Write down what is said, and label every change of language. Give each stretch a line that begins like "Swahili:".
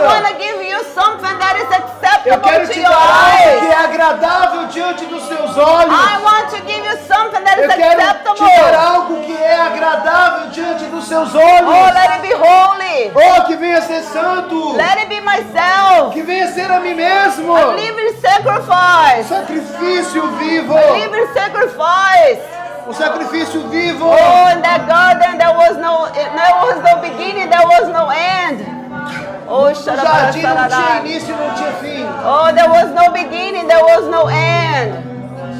English: I want to give you something that is acceptable to your eyes.
Portuguese: Eu quero te dar algo que é agradável diante dos seus olhos.
English: I want to give you something that is
Portuguese: eu quero
English: acceptable.
Portuguese: Te dar algo que é agradável diante dos seus olhos.
English: Oh, let it be holy.
Portuguese: Oh, que venha a ser santo.
English: Let it be myself.
Portuguese: Que venha a ser a mim mesmo.
English: A living sacrifice.
Portuguese: Sacrifício vivo.
English: A living sacrifice.
Portuguese: O sacrifício vivo.
English: Oh, in that garden there was no beginning, there was no end. Oh,
Portuguese: shalabara, shalabara. O jardim não tinha início, não tinha fim.
English: Oh, there was no beginning, there was no end.